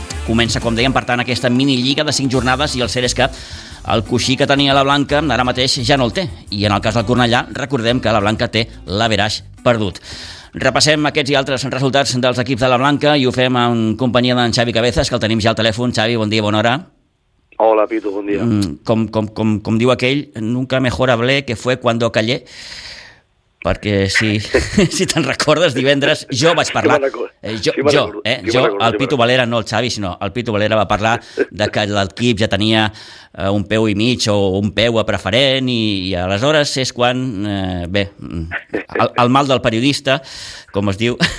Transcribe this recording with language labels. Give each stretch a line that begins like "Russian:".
Catalan: Comença, com dèiem, per tant, aquesta minilliga de 5 jornades, i el cert és que el coixí que tenia la Blanca ara mateix ja no el té. I en el cas del Cornellà, recordem que la Blanca té l'averaix perdut. Repassem aquests i altres resultats dels equips de la Blanca i ho fem en companyia d'en Xavi Cabezas, que el tenim ja al telèfon. Xavi, bon dia, bona hora. Hola, Pitu, bon dia. Com diu aquell,
Spanish: nunca mejor hablé que fue cuando callé.
Catalan: Perquè si te'n recordes, divendres jo vaig parlar, el Pitu Valera, no el Xavi, sinó el Pitu Valera va parlar de que l'equip ja tenia un peu i mig o un peu a preferent, i aleshores és quan, el mal del periodista, com es diu,